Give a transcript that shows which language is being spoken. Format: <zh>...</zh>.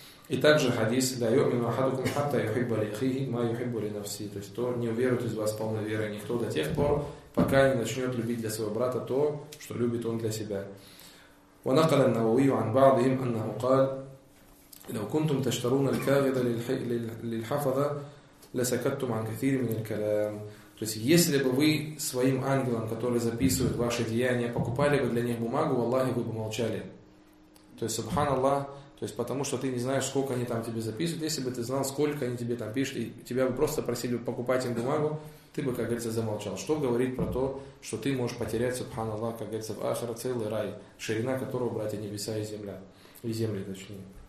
<ru>И также хадис:</ru> <ar>لا يؤمن أحدكم حتى يحب لأخيه ما يحب لنفسه.</ar> <ru>То есть то не уверует из вас полной веры никто до тех пор, пока не начнет любить для своего брата то, что любит он для себя.</ru> <ar>ونقل النووي عن بعضهم أنه قال لو كنتم تشترون الكاغذ للحفظة لسكتتم عن كثير من الكلام.</ar> <ru>То есть если бы вы своим ангелам, которые записывают ваши деяния, покупали бы для них бумагу, والله вы бы молчали. То есть سبحان الله, то есть потому что ты не знаешь, сколько они там тебе записывают. Если бы ты знал, сколько они тебе там пишут, и тебя бы просто просили покупать им бумагу, ты бы, как говорится, замолчал. Что говорить про то, что ты можешь потерять, субханаллах, как говорится, в ахира целый рай, ширина которого, братья, небеса и земля. И земли, точнее.</ru>